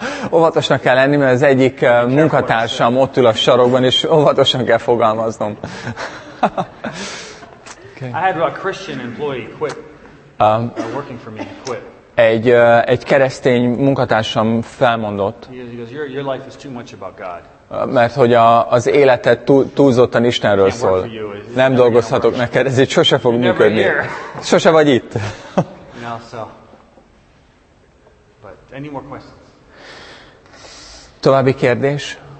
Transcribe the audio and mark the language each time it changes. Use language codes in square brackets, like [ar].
[hu] Óvatosnak kell lenni, mert az egyik munkatársam ott ül a sarokban, és óvatosan kell fogalmaznom. [en] Okay. I had a Christian employee quit. Working for me quit. [hu] Egy keresztény munkatársam felmondott. [en] Because your life is too much about God. [hu] Mert hogy az életed túlzottan Istenről szól. Nem dolgozhatok neked, ezért sose fog működni. Sose vagy itt. [en] But any more questions? [hu] További kérdés?